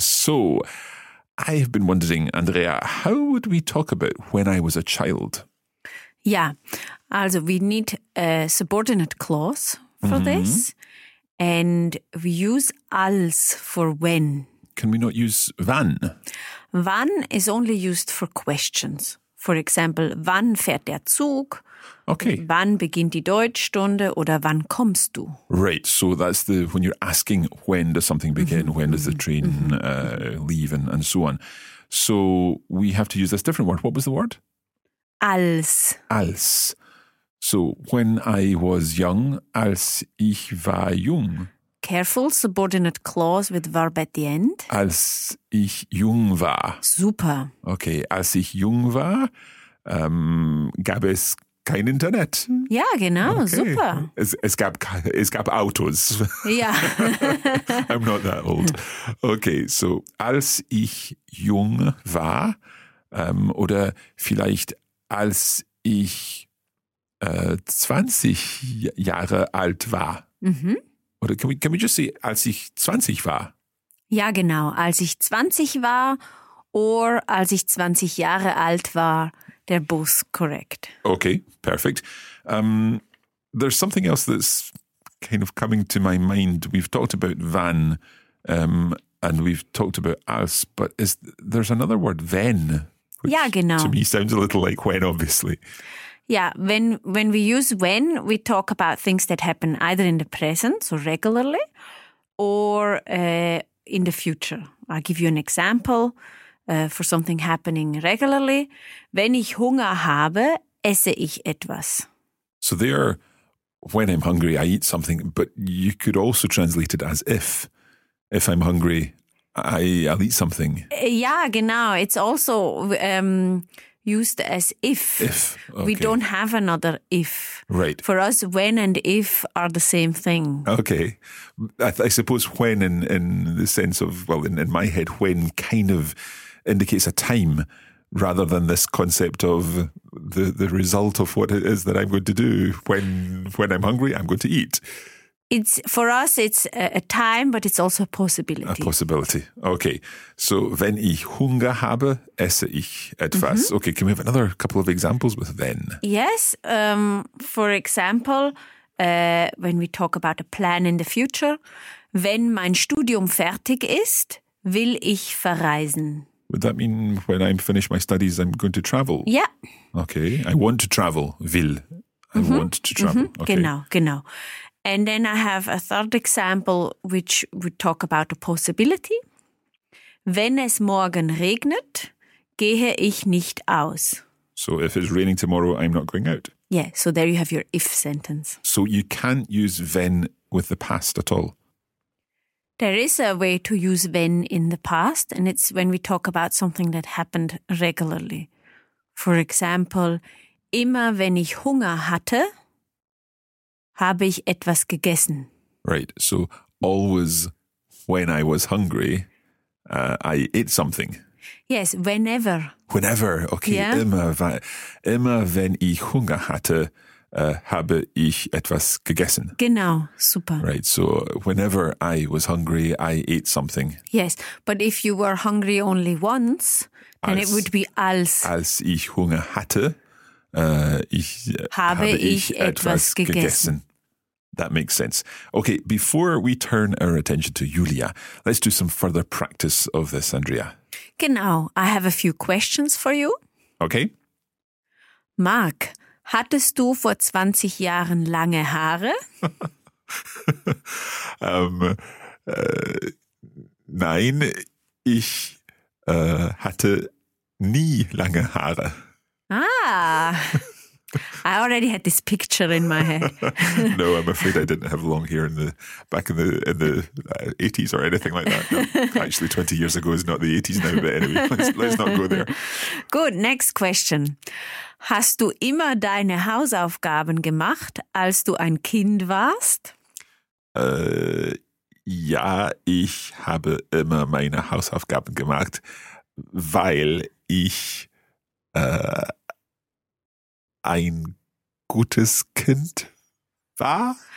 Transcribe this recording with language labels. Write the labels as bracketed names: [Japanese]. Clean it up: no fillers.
[English] So I have been wondering, Andrea, how would we talk about when I was a child? Yeah. Also we need a subordinate clause for this, and we use als for when. Can we not use wann? Wann is only used for questions. For example, [German] wann fährt der Zug? [English] Okay. [German] Wann beginnt die Deutschstunde? Oder wann kommst du? [English] Right. So that's the, when you're asking when does something begin, when does the train leave and so on. So we have to use this different word. What was the word? [German] Als. [English] Als. So when I was young, [German] als ich war jung. [English] Careful, subordinate clause with verb at the end. [German] Als ich jung war. Super. Okay, als ich jung war, gab es kein Internet. Ja, genau, okay. Super. Es gab Autos. Ja. [English] I'm not that old. [German] Okay, so als ich jung war, oder vielleicht als ich 20 Jahre alt war. Mhm. Oder [English] can we just say, [German] als ich 20 war? Ja, genau. Als ich 20 war or als ich 20 Jahre alt war, der Bus, correct. [English] Okay, perfect. There's something else that's kind of coming to my mind. We've talked about van and we've talked about us, but there's another word, then. Which yeah, genau. To me sounds a little like when, obviously. Yeah, when we use when, we talk about things that happen either in the present, so regularly, or in the future. I'll give you an example for something happening regularly. [German] Wenn ich Hunger habe, esse ich etwas. [English] So there, when I'm hungry, I eat something, but you could also translate it as if. If I'm hungry, I'll eat something. Yeah, genau. It's also used as if. If, okay. We don't have another if. Right. For us, when and if are the same thing. Okay. I suppose when in the sense of, well, in my head, when kind of indicates a time rather than this concept of the result of what it is that I'm going to do. When I'm hungry, I'm going to eat. It's for us, it's a time, but it's also a possibility. A possibility. Okay. [German] So, wenn ich Hunger habe, esse ich etwas. Mm-hmm. [English] Okay, can we have another couple of examples with then? Yes. For example, when we talk about a plan in the future, [German] wenn mein Studium fertig ist, will ich verreisen. [English] Would that mean when I'm finished my studies, I'm going to travel? Yeah. Okay. I want to travel. Will. I mm-hmm. want to travel. Mm-hmm. Okay. [German] Genau. [English] And then I have a third example, which would talk about a possibility. [German] Wenn es morgen regnet, gehe ich nicht aus. [English] So if it's raining tomorrow, I'm not going out. Yeah, so there you have your if sentence. So you can't use wenn with the past at all? There is a way to use wenn in the past, and it's when we talk about something that happened regularly. For example, [German] immer wenn ich Hunger hatte, habe ich etwas gegessen. [English] Right, so always when I was hungry, I ate something. Yes, whenever. Whenever, okay. Yeah. [German] Immer wenn ich Hunger hatte, habe ich etwas gegessen. Genau, super. [English] Right, so whenever I was hungry, I ate something. Yes, but if you were hungry only once, then it would be als [German] ich Hunger hatte, habe ich etwas gegessen. [English] That makes sense. Okay, before we turn our attention to Julia, let's do some further practice of this, Andrea. Genau, I have a few questions for you. Okay. [German] Mark, hattest du vor 20 Jahren lange Haare? nein, ich hatte nie lange Haare. [English] Ah, I already had this picture in my head. No, I'm afraid I didn't have long hair back in the 80s or anything like that. No, actually, 20 years ago is not the 80s now, but anyway, let's not go there. Good, next question. [German] Hast du immer deine Hausaufgaben gemacht, als du ein Kind warst? Ja, ich habe immer meine Hausaufgaben gemacht, weil ich ein gutes Kind war?